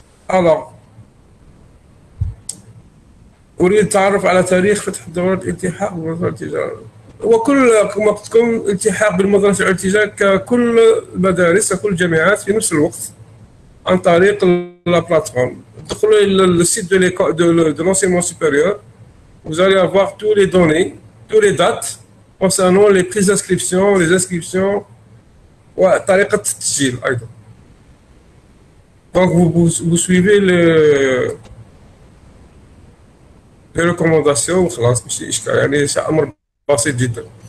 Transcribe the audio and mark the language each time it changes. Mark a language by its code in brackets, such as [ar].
[ar] الوغ اريد التعرف على تاريخ فتح دورة الالتحاق بالمدرسة التجارية. هو كل كما قلت لكم التحاق بالمدرسة التجارية ككل المدارس وكل الجامعات في نفس الوقت عن طريق لا بلاتفورم. تدخلوا الى [fr] السيت دو ليكو دو لونسيمون سوبيريور، vous allez avoir tous les données, toutes les dates concernant les prises d'inscription, les inscriptions [ar] وطريقة التسجيل أيضا. [fr] Donc vous suivez les recommandations [ar] وخلاص، ماشي إشكال، يعني سي أمر بسيط جدا.